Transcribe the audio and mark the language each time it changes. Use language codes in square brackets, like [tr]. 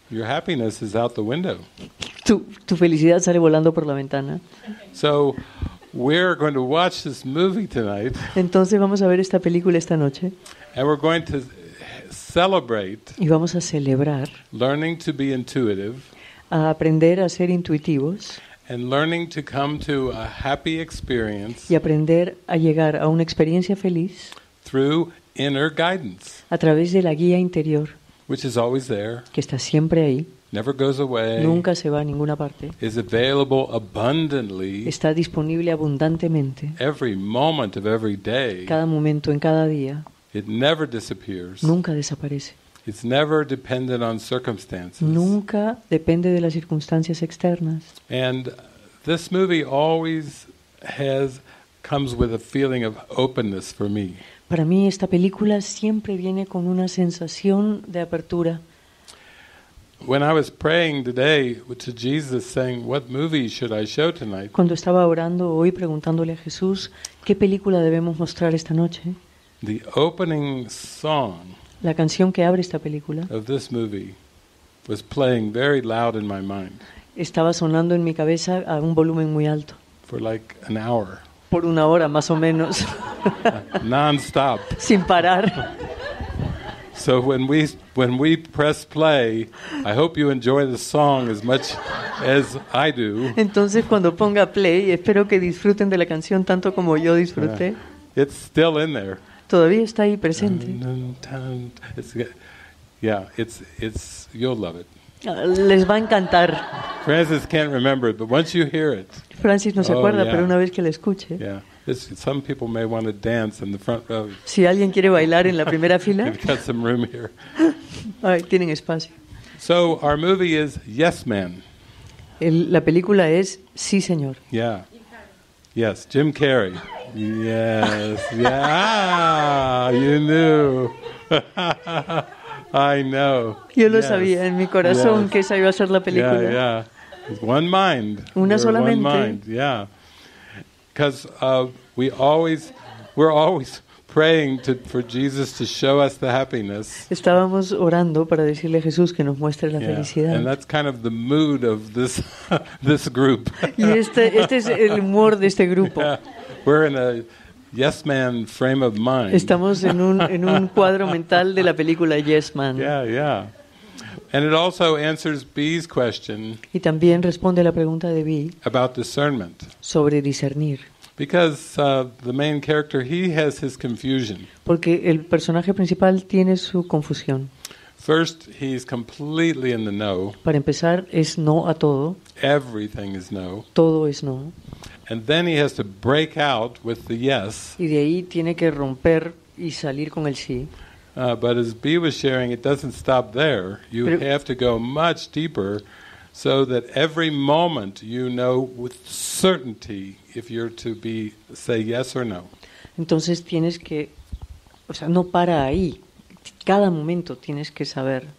[en] your happiness is out the window. [es] Tu felicidad sale volando por la ventana. [en] So, we're going to watch this movie tonight. [es] Entonces vamos a ver esta película esta noche. [en] And we're going to celebrate. [es] Y vamos a celebrar. [en] Learning to be intuitive. [es] A aprender a ser intuitivos. [en] And learning to come to a happy experience. [es] Y aprender a llegar a una experiencia feliz. [en] Through inner guidance. [es] A través de la guía interior. [en] Which is always there. [es] Que está siempre ahí. [en] Never goes away. [es] Nunca se va a ninguna parte. [en] Is available abundantly. [es] Está disponible abundantemente. [en] Every moment of every day. [es] Cada momento en cada día. [en] It never disappears. [es] Nunca desaparece. [en] It's never dependent on circumstances. [es] Nunca depende de las circunstancias externas. [en] And this movie always comes with a feeling of openness for me. [es] Para mí esta película siempre viene con una sensación de apertura. [en] When I was praying today to Jesus saying, "What movie should I show tonight?" [es] Cuando estaba orando hoy preguntándole a Jesús, ¿qué película debemos mostrar esta noche? [en] The opening song. [es] La canción que abre esta película. [en] Of this movie was playing very loud in my mind. [es] Estaba sonando en mi cabeza a un volumen muy alto. [en] For like an hour. [es] Por una hora más o menos. [en] Non-stop. [es] Sin parar. [en] So when we press play, I hope you enjoy the song as much as I do. [es] Entonces cuando ponga play, espero que disfruten de la canción tanto como yo disfruté. [en] It's still in there. [es] Todavía está ahí presente. [en] It's you'll love it. [es] Les va a encantar. [en] Francis can't remember it, but once you hear it. [es] Francis no se acuerda, pero una vez que la escuche. [en] Yeah. Some people may want to dance in the front row. [es] Si alguien quiere bailar en la primera fila. [en] We've got some room here. [es] Ay, tienen espacio. [en] So our movie is Yes Man. [es] La película es Sí Señor. [en] Yeah. Yes, Jim Carrey. Yes. Yeah. You knew. I know. [es] Yo lo sabía en mi corazón que esa iba a ser la película. [en] Yeah, yeah. One mind. [es] Una solamente. [en] One mind. Yeah. Because we're always praying for Jesus to show us the happiness. [es] Estábamos orando para decirle a Jesús que nos muestre la felicidad. [en] And that's kind of the mood of this group. [es] Y este es el humor de este grupo. [en] Yeah. We're in a Yes Man frame of mind. [es] Estamos en un cuadro mental de la película Yes Man. [en] Yeah, yeah. And it also answers B's question. [es] Y también responde la pregunta de B. [en] About discernment. [es] Sobre discernir. [en] Because the main character, he has his confusion. [es] Porque el personaje principal tiene su confusión. [en] First, he's completely in the know. [es] Para empezar, es no a todo. [en] Everything is no. [es] Todo es no. [en] And then he has to break out with the yes. [es] Y de ahí tiene que romper y salir con el sí. [en] But as B was sharing, it doesn't stop there. You have to go much deeper so that every moment you know with certainty if you're to be say yes or no. [es] Entonces tienes que, no para ahí. Cada momento tienes que saber.